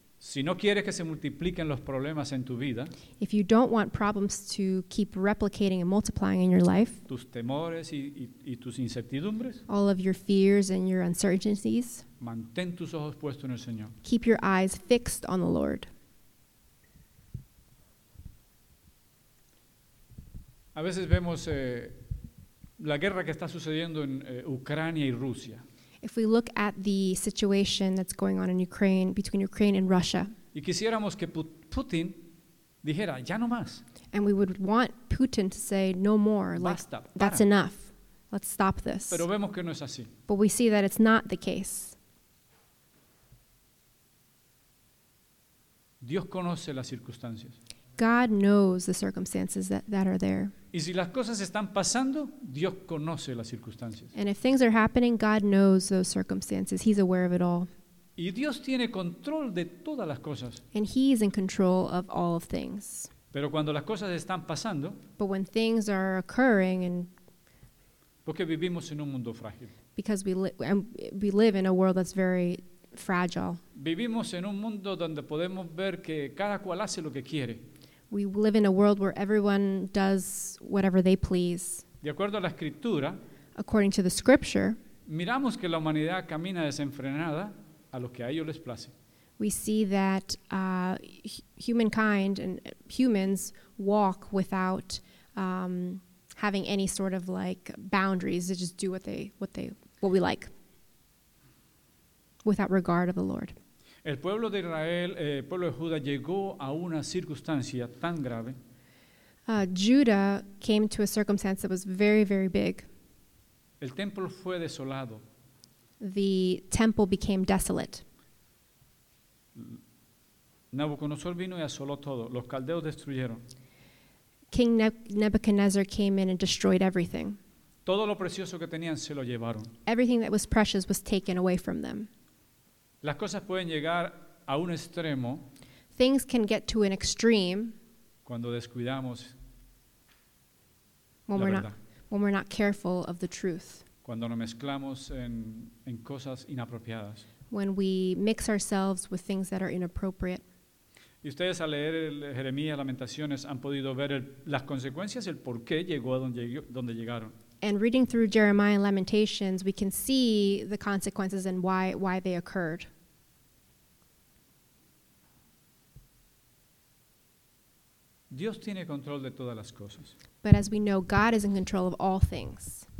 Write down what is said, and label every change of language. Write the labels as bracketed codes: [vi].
[es] Si no quieres que se multipliquen los problemas en tu vida, [en] if you don't want problems to keep replicating and multiplying in your life, [es] tus temores y tus incertidumbres, [en] all of your fears and your uncertainties, [es] mantén tus ojos puestos en el Señor. [en] Keep your eyes fixed on the Lord. [es] A veces vemos la guerra que está sucediendo en Ucrania y Rusia. [en] If we look at the situation that's going on in Ukraine, between Ukraine and Russia. [es] Y quisiéramos que Putin dijera, ya no más. [en] And we would want Putin to say, no more. [es] Basta, [en] like, that's enough. Let's stop this. [es] Pero vemos que no es así. [en] But we see that it's not the case. [es] Dios conoce las circunstancias. [en] God knows the circumstances that are there. [es] Y si las cosas están pasando, Dios conoce las circunstancias. [en] And if things are happening, God knows those circumstances. He's aware of it all. [es] Y Dios tiene control de todas las cosas. [en] And he is in control of all of things. [es] Pero cuando las cosas están pasando, [en] but when things are occurring, and [es] porque vivimos en un mundo frágil. [en] Because we live in a world that's very fragile. [es] Vivimos en un mundo donde podemos ver que cada cual hace lo que quiere. [en] We live in a world where everyone does whatever they please. [es] De acuerdo a la escritura, [en] according to the scripture, [es] miramos que la humanidad camina desenfrenada a lo que a ellos les place. [en] We see that humankind and humans walk without having any sort of like boundaries. They just do what we like without regard of the Lord. [es] El pueblo de Israel, el pueblo de Judá llegó a una circunstancia tan grave. [en] Judah came to a circumstance that was very, very big. [es] El templo fue desolado. [en] The temple became desolate. [es] Nabucodonosor vino y asoló todo. Los caldeos destruyeron. [en] King Nebuchadnezzar came in and destroyed everything. [es] Todo lo precioso que tenían se lo llevaron. [en] Everything that was precious was taken away from them. [es] Las cosas pueden llegar a un extremo. [en] Things can get to an extreme. [es] Cuando descuidamos la verdad. [en] When we're not careful of the truth. [es] Cuando nos mezclamos en cosas inapropiadas. [en] When we mix ourselves with things that are inappropriate. [es] Y ustedes al leer Jeremías, Lamentaciones, han podido ver las consecuencias, el por qué llegó a donde llegaron. [en] And reading through Jeremiah and Lamentations, we can see the consequences and why they occurred. [es] Dios tiene control de todas las cosas. [en] But as we know, God is in control of all things.